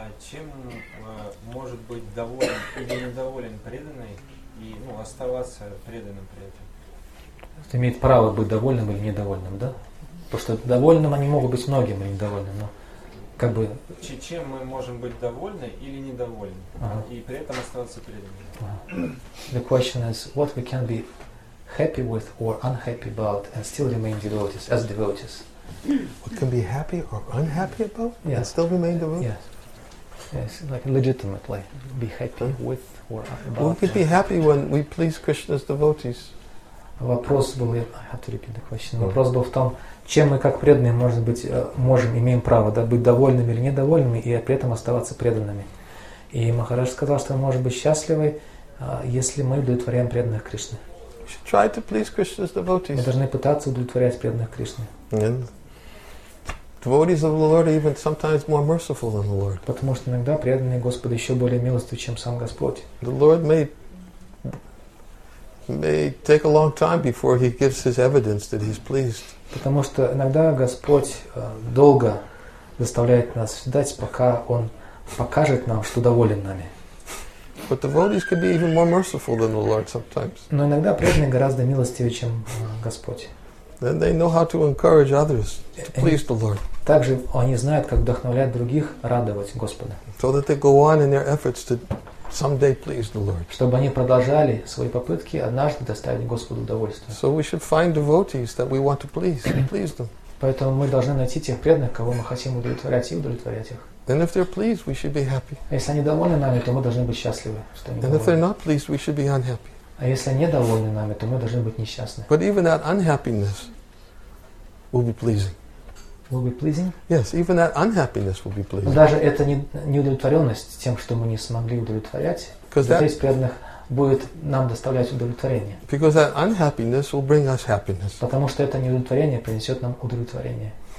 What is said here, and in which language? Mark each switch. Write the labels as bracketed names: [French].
[Russian] Чем может быть доволен или недоволен преданный и оставаться преданным при этом? Это имеет право быть довольным или недовольным, да? Потому что довольным они могут быть многим или недовольным, но как бы. Чем мы можем быть довольны или недовольны, и при этом оставаться преданными. [English] The question is, what we can be happy with or unhappy about and still remain devotees as devotees. What can be happy or unhappy about and still remain devotees? Yes. Yes, like legitimately be happy with or about. Well, we could be happy when we please Krishna's devotees. [Russian] Вопрос был, [English] I have to repeat the question. [Russian] Вопрос был в том, чем мы как преданные можем быть, можем, имеем право, да, быть довольными или недовольными и при этом оставаться преданными. И Махарадж сказал, что мы можем быть счастливы, если мы удовлетворяем преданных Кришны. [English] We should try to please Krishna's devotees. [Russian] Мы должны пытаться удовлетворять преданных Кришны. [English] Devotees of the Lord are even sometimes more merciful than the Lord. [Russian] Потому что иногда преданные Господа еще более милостивы, чем сам Господь. [English] The Lord may take a long time before he gives his evidence that he's pleased. [Russian] Потому что иногда Господь долго заставляет нас ждать, пока он покажет нам, что доволен нами. [English] But devotees can be even more merciful than the Lord sometimes. [Russian] Но иногда преданные гораздо милостивее, чем Господь. [English] Then they know how to encourage others to please the Lord. [Russian] Также они знают, как вдохновлять других радовать Господа. [English] So that they go on in their efforts to someday please the Lord. [Russian] Чтобы они продолжали свои попытки однажды доставить Господу удовольствие. [English] So we should find devotees that we want to please and please them. [Russian] Поэтому мы должны найти тех преданных, кого мы хотим удовлетворять и удовлетворять их. [English] Then if they're pleased, we should be happy. [Russian] Если они довольны нами, то мы должны быть счастливы. [English] And if they're not pleased, we should be unhappy. [Russian] А если они недовольны нами, то мы должны быть несчастны. [English] But even that unhappiness will be pleasing. Will be pleasing? Yes, even that unhappiness will be pleasing. [Russian] Но даже эта неудовлетворенность тем, что мы не смогли удовлетворять, здесь преданных будет нам доставлять удовлетворение. [English] Because that unhappiness will bring us happiness. [Russian] Потому что это неудовлетворение принесет нам удовлетворение.